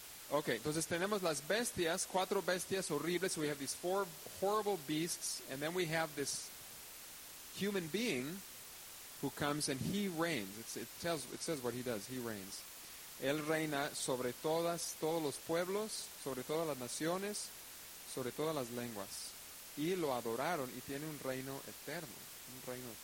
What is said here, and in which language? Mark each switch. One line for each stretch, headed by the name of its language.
Spanish: Okay, entonces tenemos las bestias, cuatro bestias horribles.
English: So we have these four horrible beasts, and then we have this human being who comes and he reigns. It says what he does. He reigns.
Spanish: Él reina sobre todos los pueblos, sobre todas las naciones, sobre todas las lenguas. Y lo adoraron, y tiene un reino eterno.